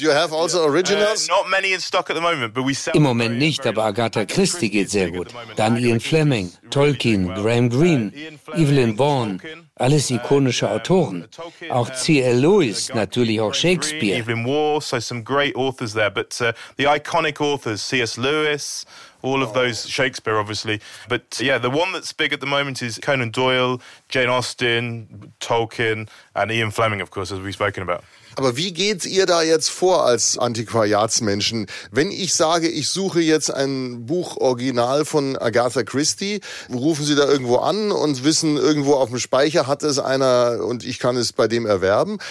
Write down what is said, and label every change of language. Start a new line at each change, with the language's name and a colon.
English: You have also originals? Not many in stock at the moment, but we sell.
German: Im Moment nicht, aber Agatha Christie geht sehr gut. Dann Ian Fleming, Tolkien, Graham Greene, Evelyn Vaughan, alles ikonische Autoren. Auch C.L. Lewis, natürlich auch Shakespeare.
English: Evelyn Waugh, so some great authors there, but the iconic authors, C.S. Lewis. All of those Shakespeare, obviously. But yeah, the one that's big at the moment is Conan Doyle, Jane Austen, Tolkien and Ian Fleming, of course, as we've spoken about.
German: Aber wie geht's ihr da jetzt vor als Antiquariatsmenschen? Wenn ich sage, ich suche jetzt ein Buch original von Agatha Christie, rufen Sie da irgendwo an und wissen, irgendwo auf dem Speicher hat es einer und ich kann es bei dem erwerben?